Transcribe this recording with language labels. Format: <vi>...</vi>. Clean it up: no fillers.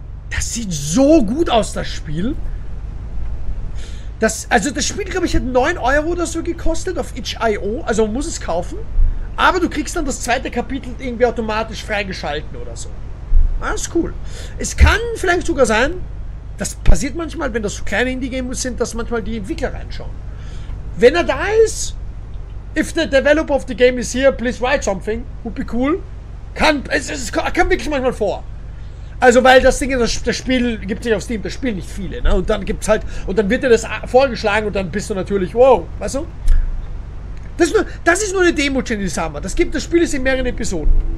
<de>Das sieht so gut aus, das Spiel. Das, also das Spiel, glaube ich, hat 9 Euro oder so gekostet auf itch.io, also man muss es kaufen. Aber du kriegst dann das zweite Kapitel irgendwie automatisch freigeschalten oder so. Das ist cool. Es kann vielleicht sogar sein, das passiert manchmal, wenn das so kleine Indie-Games sind, dass manchmal die Entwickler reinschauen. Wenn er da ist,</de> <en>if the developer of the game is here, please write something, would be cool.</en> <de>Kann wirklich manchmal vor. Also weil das Ding, das Spiel gibt sich auf Steam, das spielen nicht viele, ne? Und dann gibt's halt, und dann wird dir das vorgeschlagen und dann bist du natürlich, wow, weißt du? Das ist nur eine Demo, Jenny Summer. Das Spiel ist in mehreren Episoden.</de>